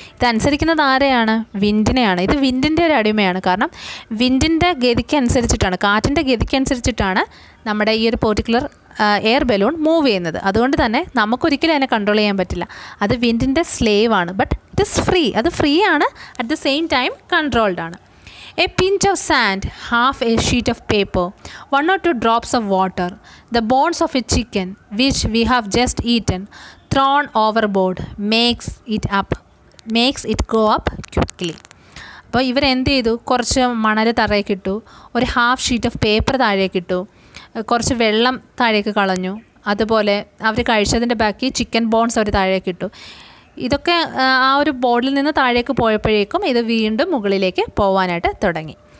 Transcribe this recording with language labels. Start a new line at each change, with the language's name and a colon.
Malayalam: ഇത് അനുസരിക്കുന്നത് ആരെയാണ്? വിൻഡിനെയാണ്. ഇത് വിൻഡിൻ്റെ ഒരു അടിമയാണ്. കാരണം വിൻഡിൻ്റെ ഗതിക്കനുസരിച്ചിട്ടാണ്, കാറ്റിൻ്റെ ഗതിക്കനുസരിച്ചിട്ടാണ് നമ്മുടെ ഈ ഒരു പെർട്ടിക്കുലർ എയർ ബലൂൺ മൂവ് ചെയ്യുന്നത്. അതുകൊണ്ട് തന്നെ നമുക്കൊരിക്കലും അതിനെ കൺട്രോൾ ചെയ്യാൻ പറ്റില്ല. അത് വിൻഡിൻ്റെ സ്ലേവ് ആണ്.
English: But it is free.
Malayalam: അത് ഫ്രീ ആണ്,
English: at the same time
Malayalam: controlled ആണ്.
English: A pinch of sand, half a sheet of paper, one or two drops of water, the bones of a chicken, which we have just eaten, thrown overboard, makes it go up quickly.
Malayalam: അപ്പോൾ ഇവരെന്ത് ചെയ്തു, കുറച്ച് മണൽ തറയൊക്കെ ഇട്ടു, ഒരു half sheet of paper താഴേക്ക് ഇട്ടു, കുറച്ച് വെള്ളം താഴേക്ക് കളഞ്ഞു, അതുപോലെ അവർ കഴിച്ചതിൻ്റെ ബാക്കി ചിക്കൻ ബോൺസ് അവർ താഴേക്ക് ഇട്ടു. ഇതൊക്കെ ആ ഒരു ബോർഡിൽ നിന്ന് താഴേക്ക് പോയപ്പോഴേക്കും ഇത് വീണ്ടും മുകളിലേക്ക് പോകാനായിട്ട് തുടങ്ങി.